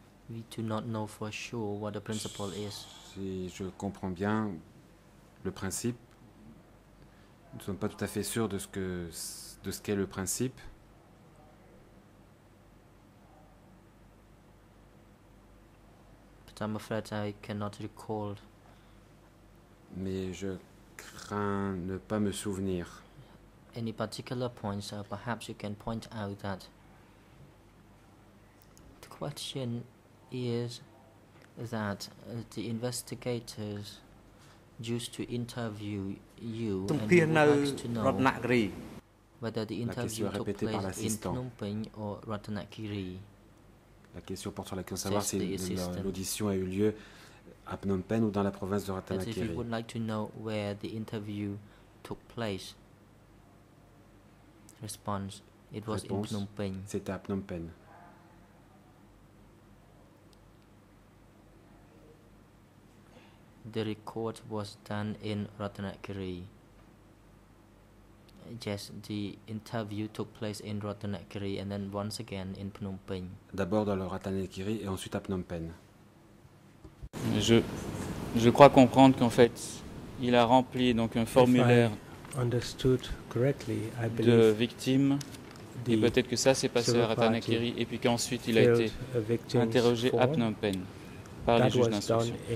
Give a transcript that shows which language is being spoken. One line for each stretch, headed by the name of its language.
English: We do not know for sure what the principle is.
French: Si je comprends bien le principe, nous ne sommes pas tout à fait sûrs de ce qu'est le principe.
English: But I'm afraid I cannot recall.
French: Mais je crains ne pas me souvenir.
English: Any particular points, perhaps you can point out that. The question is that the investigators used to interview you Ratnakiri. Whether the interview took place in Phnom Penh or Ratnakiri.
French: La question porte sur la question de savoir si l'audition a eu lieu à Phnom Penh ou dans la province de Ratnakiri.
English: If you would like to know where the interview took place. Response, it was in Phnom Penh.
French: C'était à Phnom Penh.
English: The record was done in Ratnakiri. Yes, the interview took place in Ratnakiri and then once again in Phnom Penh.
French: D'abord dans le Ratnakiri et ensuite à Phnom Penh. Je crois comprendre qu'en fait, il a rempli donc un formulaire
English: understood correctly, I believe
French: de victime. Et peut-être que ça s'est passé à Ratnakiri et puis qu'ensuite il a été interrogé à Phnom Penh. Par les juges d'instruction.